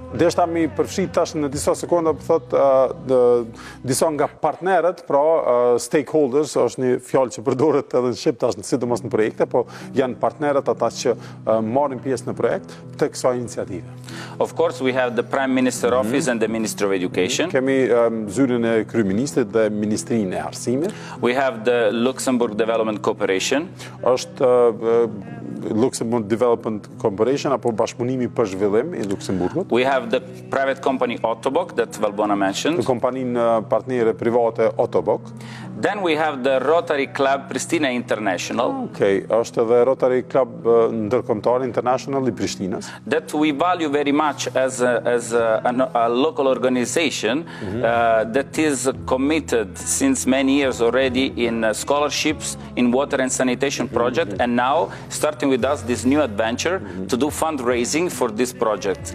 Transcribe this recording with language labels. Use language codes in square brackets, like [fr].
[sq] Dhe është mi përfshi tash në disa sekunda, për thot, disa nga partnerët, pra stakeholders, është një fjallë që përdoret edhe në Shqip tash në sidomos në projekte, po janë partnerët ata që marrin pjesë në projekt të kësaj iniciative. [en] Of course, we have the Prime Minister Office and the Minister of Education. [sq] Kemi zyrën e kryeministrit dhe Ministrinë e Arsimit. [en] We have the Luxembourg Development Cooperation. [sq] Është Luxembourg Development Cooperation apo Bashkëpunimi për Zhvillim i Luksemburgut. [en] We have the private company Ottobock that Valbona mentioned. [sq] Të kompaninë partnere private Ottobock. [en] Then we have the Rotary Club Pristina International. [sq] Okay, është edhe Rotary Club ndërkombëtar International i Prishtinës. [en] That we value very much as a local organization that is committed since many years already in scholarships in water and sanitation project and now starting with us this new adventure to do fundraising for this project.